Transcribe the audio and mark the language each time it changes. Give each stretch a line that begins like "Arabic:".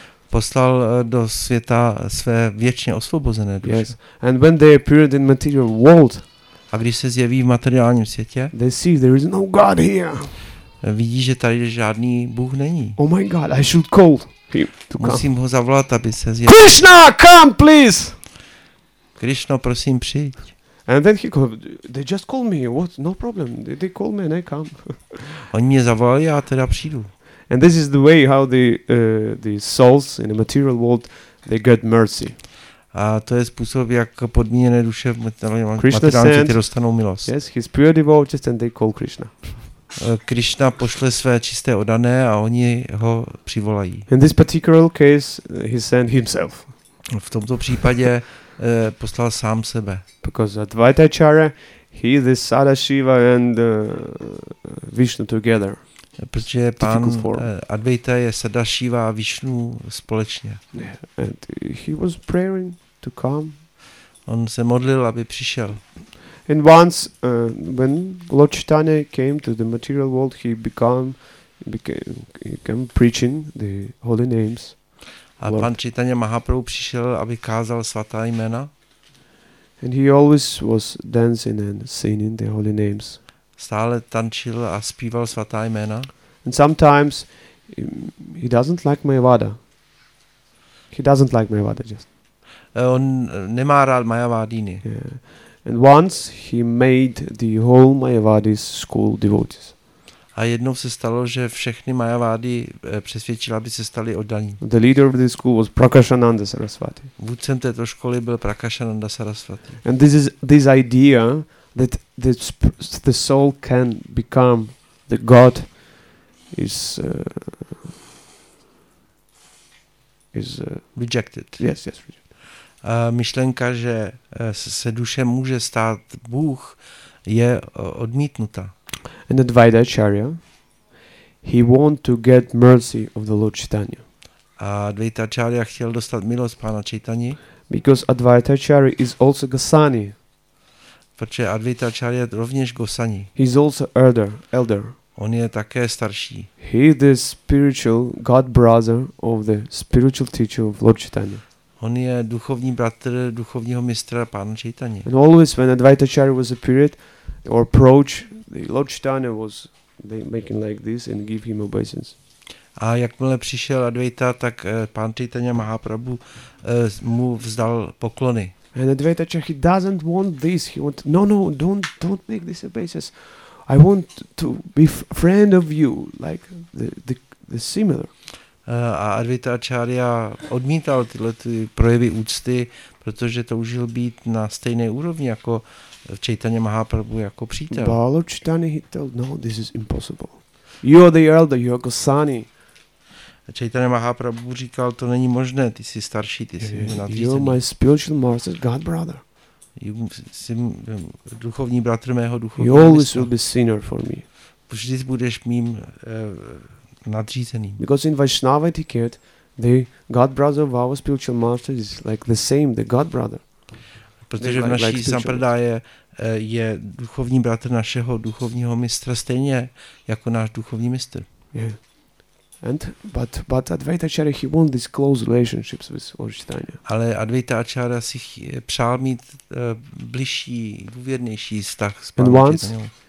Czech: Poslal do světa své věčně osvobozené duše.
English: Yes. And when they appeared in material world.
Czech: A když se zjeví v materiálním světě.
English: They see there is no God here.
Czech: Vidí, že tady žádný Bůh není.
English: Oh my God, I should call him to come.
Czech: Musím ho zavolat, aby se zjeví.
English: Krishna, come please.
Czech: Krishna, prosím, přijď.
English: And then he called. They just called me. What? No problem. They called me and I come.
Czech: Oni mě zavolali, já teda přijdu.
English: And this is the way how the souls in the material world they get mercy.
Czech: A to je způsob, jak podmíněné duše v materiálním světě dostanou milost.
English: Yes, his pure devotees and they call Krishna.
Czech: Krishna pošle své čisté oddané a oni ho přivolají.
English: In this particular case, he sent himself.
Czech: V tomto případě poslal sám sebe.
English: Because Advaita Acharya, he is the Sadashiva and Vishnu together.
Czech: Protože pán Advaita je Sadashiva a Vishnu společně.
English: Yeah. And he was praying to come.
Czech: On se modlil, aby přišel.
English: And once when Lord Chaitanya came to the material world, he became preaching the holy names.
Czech: A Lord. Pan Chaitanya Mahaprabhu přišel, aby kázal svatá jména.
English: And he always was dancing and singing the holy names.
Czech: Stále tančil a zpíval svatá jména.
English: And sometimes he doesn't like Mayavada. He doesn't like Mayavada just.
Czech: On nemá rád Mayavadiny.
English: Yeah. And once he made the whole Mayavadis school devotees.
Czech: A jednou se stalo, že všechny Mayavady přesvědčil, aby se stali oddaní.
English: The leader of the school was Prakashananda Sarasvati.
Czech: Vůdcem této školy byl Prakashananda Sarasvati.
English: And this is this idea that the soul can become the god is rejected. Yes.
Czech: Myšlenka, že se duše může stát Bůh, je odmítnuta.
English: And Advaita Acharya, he want to get mercy of the Lord Chaitanya.
Czech: A Advaita Acharya chtěl dostat milost pána Chaitanyi.
English: Because Advaita Acharya is also Gosani.
Czech: Protože Advaita Acharya je rovněž Gosani.
English: He is also elder.
Czech: On je také starší.
English: He is the spiritual god brother of the spiritual teacher of Lord Chaitanya.
Czech: On je duchovní bratr duchovního mistra pána Chaitanyi.
English: And always when Advaita Acharya was appeared or approach, the Lord Chaitanya was making like this and give him obeisance.
Czech: A jakmile přišel Advaita, tak pán Chaitanya Mahaprabhu mu vzdal poklony.
English: And Advaita Acharya, he doesn't want this. He want no, don't make this obeisance. I want to be friend of you, like the similar.
Czech: A Advaita Acharya odmítal tyhle ty projevy úcty, protože toužil být na stejné úrovni jako Chaitanya Mahaprabhu jako přítel.
English: But Lord Chaitanya, he told, no, this is impossible. You are the elder, you are Gosani.
Czech: Chaitanya Mahaprabhu říkal, to není možné, ty jsi starší, ty jsi nadřízený.
English: You are my spiritual master, God brother.
Czech: Jsi duchovní bratr mého duchovní.
English: You always will be sinner for me.
Czech: Vždy budeš mým nadřízeným.
English: Because in Vaishnava etiquette, the God brother of our spiritual master is like the same, the God brother.
Czech: Protože v naší sampradáje je duchovní bratr našeho duchovního mistra stejně jako náš duchovní mistr.
English: Yeah. And but Advaita Acharya, he want this close relationships with Lord Chaitanya.
Czech: Ale Advaita Acharya si přál mít bližší, důvěrnější vztah s pánem Chaitanyou.